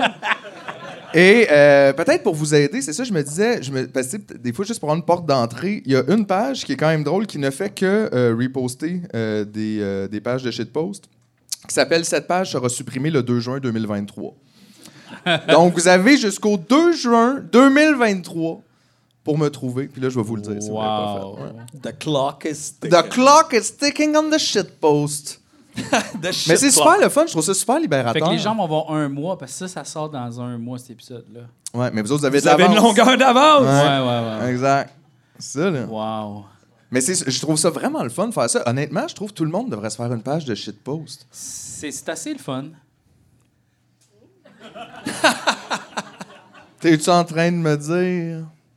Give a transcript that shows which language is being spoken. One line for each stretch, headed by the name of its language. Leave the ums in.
French: Et euh, peut-être pour vous aider, c'est ça, je me disais, je me, parce des fois, juste pour avoir une porte d'entrée, il y a une page qui est quand même drôle qui ne fait que euh, reposter euh, des, des, pages de shitpost. post qui s'appelle Cette page sera supprimée le 2 juin 2023. Donc, vous avez jusqu'au 2 juin 2023 pour me trouver. Puis là, je vais vous le dire. Wow. Pas fait, ouais.
English: The clock is ticking. The clock is ticking on the shitpost.
French: shit mais c'est super le fun, je trouve ça super libérateur. Fait que les gens vont voir un mois, parce que ça, ça sort dans un mois, cet épisode-là. Ouais, mais vous, autres, vous avez vous de une longueur d'avance. Ouais. ouais. ouais, ouais, Exact. C'est ça, là. Wow. Mais je trouve ça vraiment le fun de faire ça. Honnêtement, je trouve que tout le monde devrait se faire une page de shitpost. C'est assez le fun. T'es-tu en train de me dire?